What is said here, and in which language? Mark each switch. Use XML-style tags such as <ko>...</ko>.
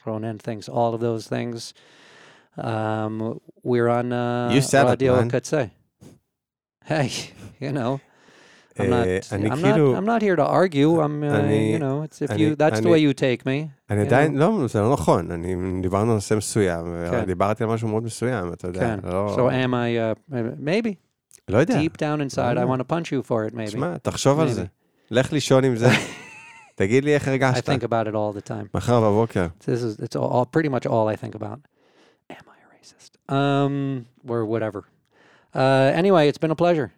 <en>Ronan thinks all of those things. We're on Radio Katze. Hey, you know. I'm not here to argue. I'm you know, it's if you that's the way you take me. And it didn't no, it's not נכון.</en> <he>אני דיברתי על נושא מסוים, דיברתי על משהו מאוד מסוים, אתה יודע.</he> <en>So am I maybe.</en> <he>לא יודע.</he> <en>Deep down inside, I want to punch you for it, maybe.</en> <he>שמע, תחשוב על זה. לך לישון עם זה. תגיד לי איך הרגשת.</he> <en>I think about it all the time.</en> <he>מחר בבוקר.</he> <en>This is, it's all, pretty much all I think about. Am I a racist? Or whatever. Anyway, it's been a pleasure.</en>